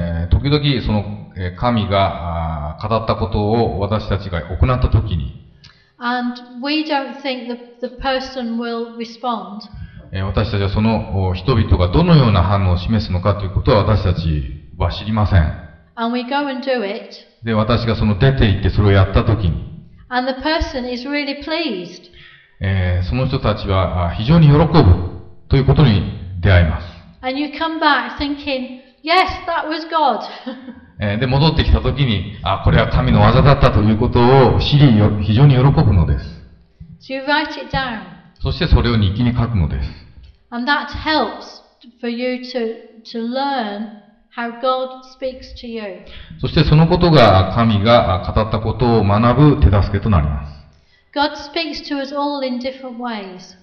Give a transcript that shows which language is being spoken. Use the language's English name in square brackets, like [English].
[Japanese] 時々その神が語ったことを私たちが行ったときに、 [English] And we don't think the person will respond. [Japanese] 私たちはその人々がどのような反応を示すのかということは私たちは知りません。 [English] And we go and do it. [Japanese] で、私がその出て行ってそれをやったときに、 [English] And the person is really pleased. [Japanese] その人たちは非常に喜ぶということに出会います。 [English] And you come back thinking, yes, that was God. [Japanese] で、戻ってきたときに、あ、これは神の技だったということを知り、非常に喜ぶのです。 [English] So you write it down. [Japanese] そしてそれを日記に書くのです。 [English] And that helps for you to learn how God speaks to you. [Japanese] そしてそのことが神が語ったことを学ぶ手助けとなります。 [English] God speaks to us all in different ways.